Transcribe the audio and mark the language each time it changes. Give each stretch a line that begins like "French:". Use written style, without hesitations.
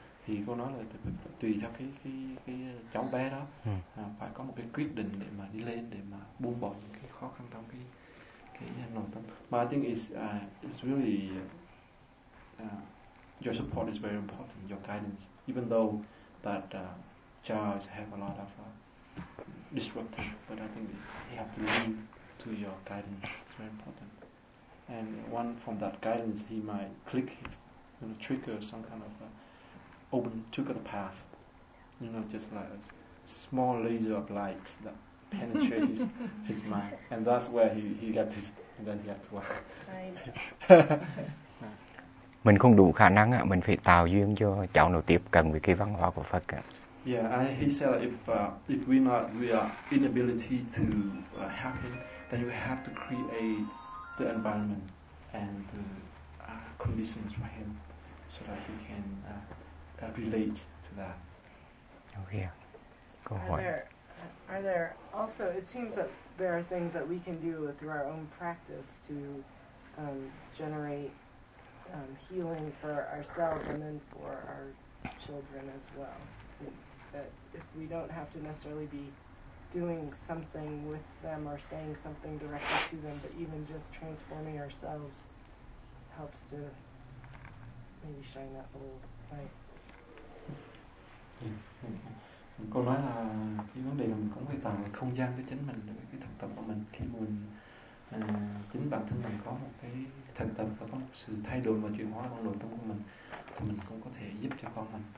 Vietnamese: Thì cô nói là tùy theo cái cháu bé đó phải có một cái quyết định để mà đi lên, để mà buông bỏ những cái khó khăn trong cái nội tâm.
English: But I think it's really your support is very important, your guidance, even though that child have a lot of disruption, but I think it's, you have to lean to your guidance. It's very important, and one from that guidance he might click, you know, trigger some kind of open, took the path, you know, just like a small laser of light that penetrates his mind, and that's where he got this, and then he had to work.
Vietnamese: Mình không đủ khả năng, mình phải tạo duyên cho cháu nó tiếp cận với cái văn hóa của Phật.
English: Yeah, he said if we not, we are inability to help him, then we have to create the environment and the conditions for him so that he can relate to that. Okay. Go ahead. Are there also, it seems that there are things that we can do through our own practice to generate healing for ourselves and then for our children as well. That if we don't have to necessarily be doing something with them or saying something directly to them, but even just transforming ourselves helps to maybe shine that little light.
Vietnamese: Cô nói là cái vấn đề là mình cũng phải tạo không gian cho chính mình, cái thực tập của mình, khi mình chính bản thân mình có một cái thành tâm và có một sự thay đổi và chuyển hóa trong nội tâm của mình, thì mình cũng có thể giúp cho con mình.